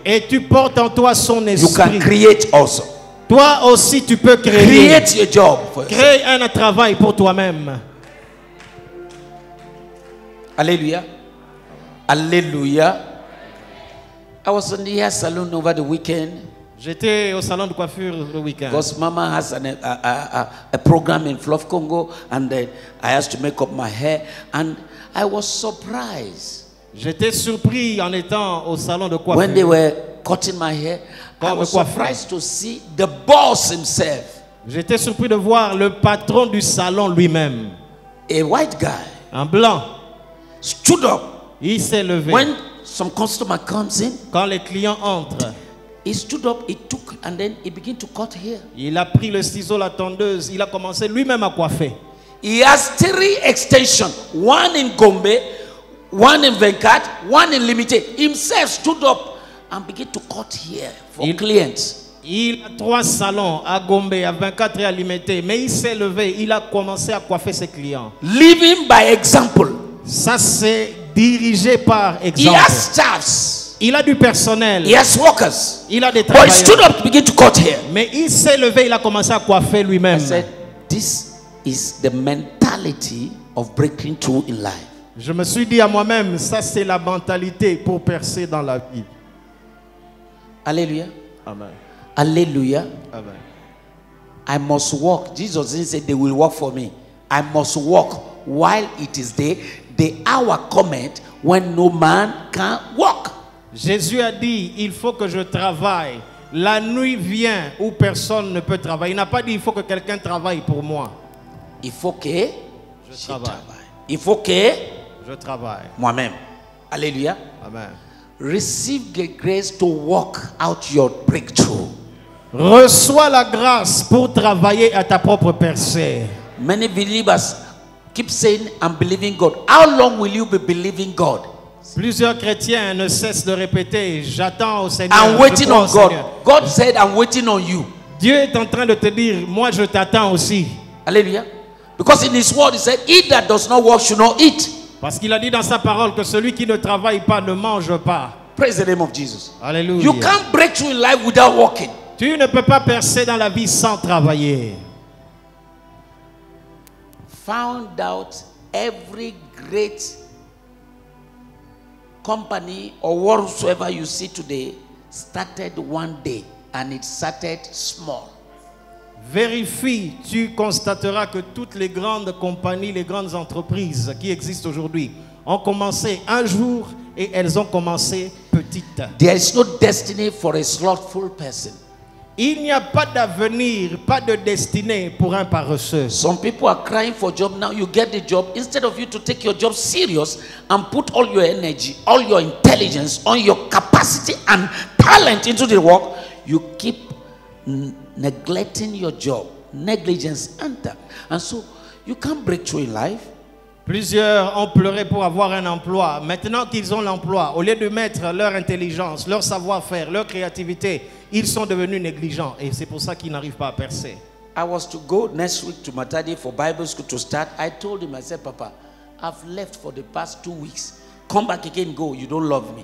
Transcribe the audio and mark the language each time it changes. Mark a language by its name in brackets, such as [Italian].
[French] Et tu portes en toi son esprit. [English] You can create also. [French] Toi aussi tu peux créer. [English] Create your job for [French] Crée [English] yourself. [French] Un travail pour toi-même. Alléluia. Alléluia. [English] I was in the hair salon over the weekend. [French] J'étais au salon de coiffure le week-end. [English] Because Mama has a program in Fluff Congo, and I asked to make up my hair, and I was surprised. [French] J'étais surpris en étant au salon de coiffure. [English] When they were cutting my hair, [French] quand [English] I was surprised to see the boss himself. [French] J'étais surpris de voir le patron du salon lui-même. [English] A white guy. [French] Un blanc. [English] Stood up. [French] Il s'est levé. [English] When some customer comes in. [French] Quand les clients entrent. [English] He stood up. He took and then he began to cut hair. [French] Il a pris le ciseau, la tondeuse. Il a commencé lui-même à coiffer. [English] He has three extensions, one in Gombe, one in Venkat, one in Limité. Himself stood up and began to cut hair for clients. [French] Il a trois salons à Gombe, à Venkat et à Limité. Mais il s'est levé, il a commencé à coiffer ses clients. [English] Leading by example. [French] Ça s'est dirigé par exemple. [English] He has staffs. [French] Il a du personnel. [English] He has workers. [French] Il a des travailleurs. [English] But he stood up to begin to cut hair. [French] Mais il s'est levé, il a commencé à coiffer lui-même. [English] I said, this is the mentality of breaking through in life. [French] Je me suis dit à moi-même, ça c'est la mentalité pour percer dans la vie. Alléluia. Amen. Alléluia. Amen. [English] I must walk. Jesus didn't say they will walk for me. I must walk while it is day. The hour cometh when no man can walk. [French] Jésus a dit, il faut que je travaille. La nuit vient où personne ne peut travailler. Il n'a pas dit, il faut que quelqu'un travaille pour moi. Il faut que je travaille. Il faut que je travaille moi-même. Alléluia. Amen. [English] Receive the grace to walk out your breakthrough. [French] Reçois la grâce pour travailler à ta propre percée. [English] Many believers keep saying, I'm believing God. How long will you be believing God? [French] Plusieurs chrétiens ne cessent de répéter, j'attends au Seigneur. [English] I'm waiting on God. God said, I'm waiting on you. [French] Dieu est en train de te dire, moi je t'attends aussi. Alléluia. [English] Because in his word he said, he that does not work should not eat. [French] Parce qu'il a dit dans sa parole que celui qui ne travaille pas ne mange pas. [English] Praise the name of Jesus. Hallelujah. You can't break through in life without working. [French] Tu ne peux pas percer dans la vie sans travailler. [English] Found out every great company or whatsoever you see today started one day and it started small. [French] Vérifie, tu constateras que toutes les grandes compagnies, les grandes entreprises qui existent aujourd'hui ont commencé un jour et elles ont commencé petites. [English] There is no destiny for a slothful person. [French] Il n'y a pas d'avenir, pas de destinée pour un paresseux. [English] Some people are crying for job now. You get the job instead of you to take your job serious and put all your energy, all your intelligence, all your capacity and talent into the work. You keep neglecting your job, negligence enter, and so you can't break through in life. [French] Plusieurs ont pleuré pour avoir un emploi. Maintenant qu'ils ont l'emploi, au lieu de mettre leur intelligence, leur savoir-faire, leur créativité, ils sont devenus négligents et c'est pour ça qu'ils n'arrivent pas à percer. [English] I was to go next week to Matadi for Bible school to start. I told him, I said, Papa, I've left for the past 2 weeks. Come back again, go. You don't love me.